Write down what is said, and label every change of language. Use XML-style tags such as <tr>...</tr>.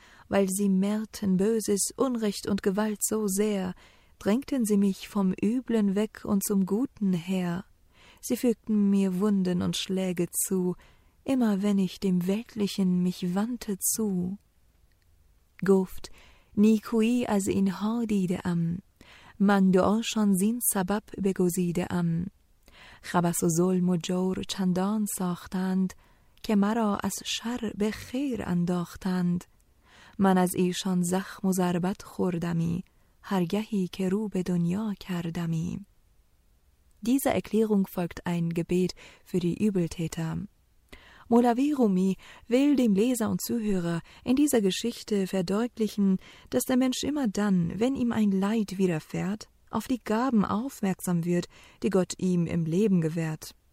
<de>Weil sie mehrten Böses, Unrecht und Gewalt so sehr, drängten sie mich vom Üblen weg und zum Guten her. Sie fügten mir Wunden und Schläge zu, immer wenn ich dem Weltlichen mich wandte zu.</de> <fa>گفت نیکویی از اینها دیدم، من دعاشان زین سبب بگزیدم. خبث و ظلم و جور چندان ساختند که مرا از شر به خیر انداختند. من از ایشان زخم و ضربت خوردمی، هرگهی که رو به دنیا کردمی.</fa> <de>Diese Erklärung folgt ein Gebet für die Übeltäter. Molavi Rumi will dem Leser und Zuhörer in dieser Geschichte verdeutlichen, dass der Mensch immer dann, wenn ihm ein Leid widerfährt, auf die Gaben aufmerksam wird, die Gott ihm im Leben gewährt.</de>